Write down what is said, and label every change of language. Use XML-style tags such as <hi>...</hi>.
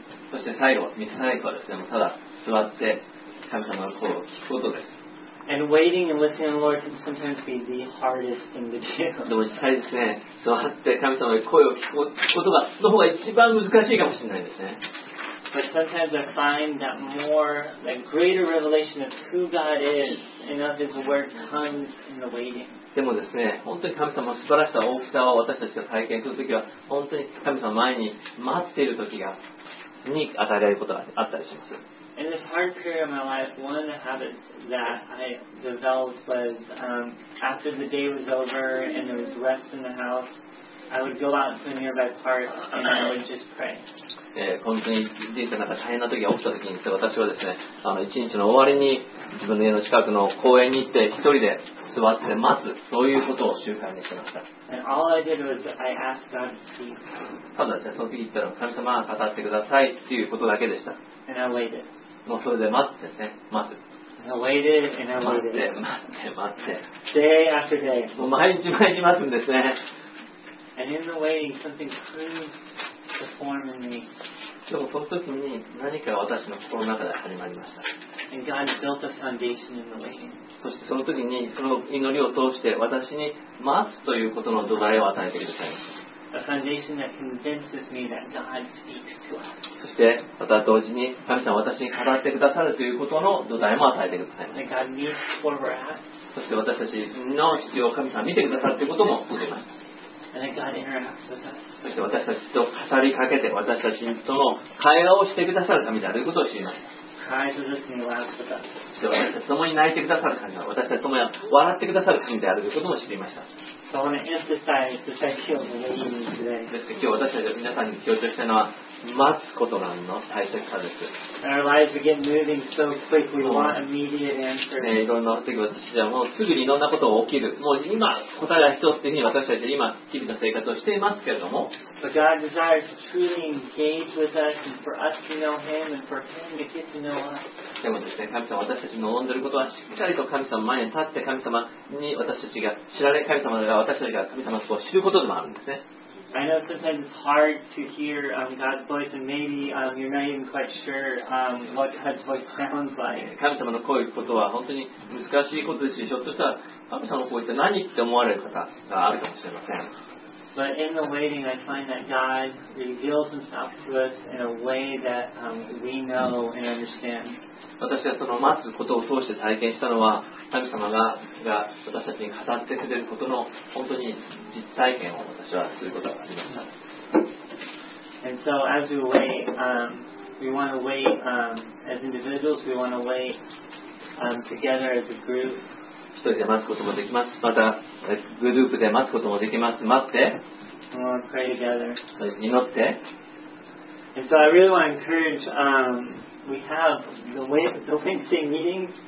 <ja>そして最後、見せないからですね、ただ座って神様の声を聞くことです。</ja> <en>And waiting and listening to the Lord can sometimes be the hardest thing to do.</en> <ja>でも実際ですね、座って神様の声を聞くことがの方が一番難しいかもしれないですね。</ja> <en>But sometimes I find that more, that greater revelation of who God is and of His word comes in the waiting.</en> <ja>でもですね、本当に神様の素晴らしさ、大きさを私たちが体験するときは、本当に神様前に待っているときがに与えられることがあったりします。</ja> <en>In this hard period of my life, one of the habits that I developed was, after the day was over and there was rest in the house, I would go out to a nearby park and I would just pray.</en> <ja>本当に人生なんか大変な時が起きた時にして、私はですね、一日の終わりに自分の家の近くの公園に行って一人で座って待つ、そういうことを習慣にしてました。</ja> <en>And all I did was I asked God to speak.</en> <ja>ただですね、その時言ったら神様が語ってくださいっていうことだけでした。</ja> <en>And I waited.</en> <ja>もうそれで待ってですね、待つ。</ja> <en>And I waited and I waited.</en> <ja>待って。</ja> <en>Day after day.</en> <ja>もう毎日毎日待つんですね。</ja> <en>And in the waiting, something proves to form in me.</en> <ja>でもその時に何か私の心の中で始まりました。</ja> <en>And God built a foundation in the waiting.</en> <ja>そしてその時にその祈りを通して私に待つということの土台を与えてくださいました。</ja> <en>A foundation that convinces me that God speaks to us.</en> <ja>そしてまた同時に神様は私に語ってくださるということの土台も与えてくださいました。</ja> <en>And God meets where we're at.</en> <ja>そして私たちの必要を神様は見てくださるということも受けました。</ja> <en>And God interacts with us.</en> <ja>そして私たちと語りかけて私たちとの会話をしてくださる神であることを知りました。</ja> <en>Cries with us and laughs with us.</en> <ja>私たちと共に泣いてくださる神は私たちと共に笑ってくださる神であることも知りました。</ja> <en>So I want to emphasize the second thing today.</en> <ja>今日私たちは皆さんに強調したのは待つことなんの大切さです。</ja> <en>Our lives begin moving so quick, we want immediate answers.</en> <ja>いろんな時は私はもうすぐにいろんなことが起きる、もう今答えが必要っていうふうに私たちは今日々の生活をしていますけれども、</ja> <en>But God desires to truly engage with us and for us to know Him and for Him to get to know us.</en> <ja>でもですね、神様私たちの望んでいることはしっかりと神様前に立って神様に私たちが知られ、神様が私たちが神様を知ることでもあるんですね。</ja> <en>I know sometimes it's hard to hear God's voice and maybe you're not even quite sure what God's voice sounds like.</en> <ja>神様の声を聞くことは本当に難しいことですし、ひょっとしたら神様の声って何って思われる方があるかもしれません。</ja> <en>But in the waiting, I find that God reveals himself to us in a way that we know and understand.</en> <ja>私はその待つことを通して体験したのは、神様 が私たちに語ってくれることの本当に実体験を私はすることができました。</ja> <en>And so as we wait, we want to wait as individuals, we want to wait together as a group.</en> <ja>一人で待つこともできます。またグループで待つこともできます。待って。</ja> <en>We want to pray together.</en> <ja>祈って。</ja> <en>And so I really want to encourage, we have the Wednesday meeting.</en>